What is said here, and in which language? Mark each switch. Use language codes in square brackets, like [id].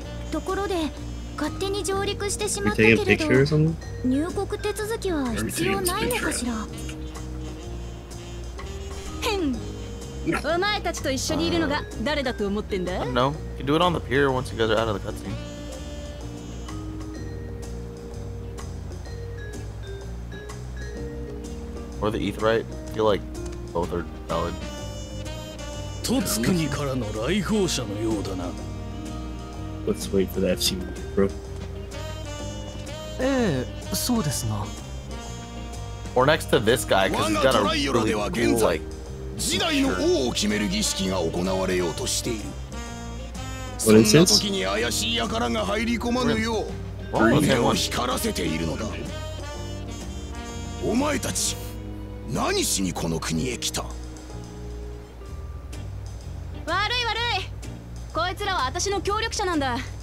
[ja] ところで勝手に上陸してしまったけれど、入国手続きは必要ないのかしら。変。お前たちと一緒にいるのが誰だと思ってんだ。 [en] No, you do it on the pier once you guys are out of the cutscene. Or the Aetherite? I feel like both are valid. [ja] Totsukuni からの来訪者のようだな。 [en] Let's wait for that scene, bro. [ja] ええ、そうですな。 [en] Or next to this guy, because he's got a really cool, like, shirt. [ja] 時代の王を決める儀式が行われようとしている。 [en] What is this? [ja] そんな時に怪しい輩が入り込まぬよう、船は光らせているのだ。お前たち、何しにこの国へ来た。悪い悪い、こいつらは私の協力者なんだ。